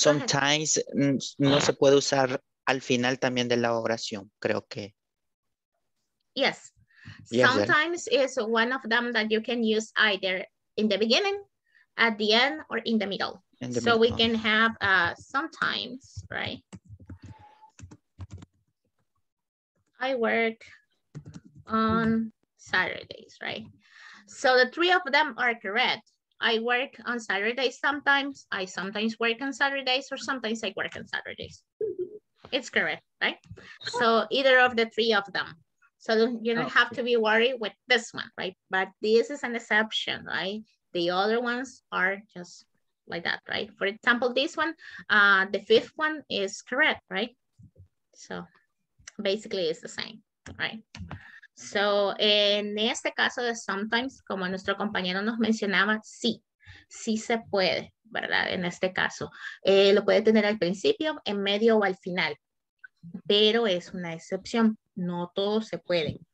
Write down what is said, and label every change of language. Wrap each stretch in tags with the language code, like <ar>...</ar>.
<es>sometimes no se puede usar al final también de la oración, creo que.</es> <en>Yes. Yes, sometimes is one of them that you can use either in the beginning, at the end, or in the middle. We can have sometimes, right? I work on Saturdays, right? So the three of them are correct. I work on Saturdays sometimes. I sometimes work on Saturdays, or sometimes I work on Saturdays. It's correct, right? So either of the three of them. So you don't have to be worried with this one, right? But this is an exception, right? The other ones are just like that, right? For example, this one, the fifth one is correct, right? So basically it's the same, right?</en> <es>So en este caso de sometimes, como nuestro compañero nos mencionaba, sí, sí se puede, ¿verdad? En este caso, lo puede tener al principio, en medio o al final, pero es una excepción, no todos se pueden.</es>